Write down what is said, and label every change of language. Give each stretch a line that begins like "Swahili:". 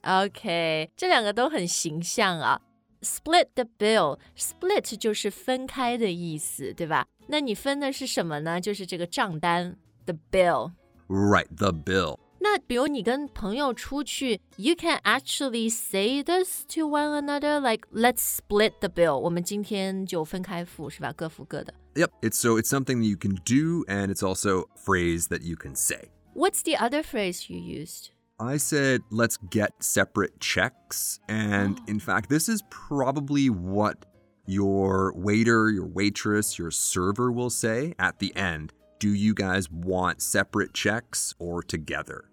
Chinese: Okay, 这两个都很形象啊。
English: Split the bill,
Chinese: split 就是分开的意思，对吧？那你分的是什么呢？就是这个账单, the bill.
English: Right, the bill.
Chinese: 那比如你跟朋友出去
English: you can actually say this to one another, like, let's split the bill.
Chinese: 我们今天就分开付是吧各付各的。
English: Yep, it's something that you can do, and it's also a phrase that you can say. What's the other phrase you used? I said, let's get separate checks. And in fact, this is probably what your waiter, your waitress, your server will say at the end, do you guys want separate checks or together?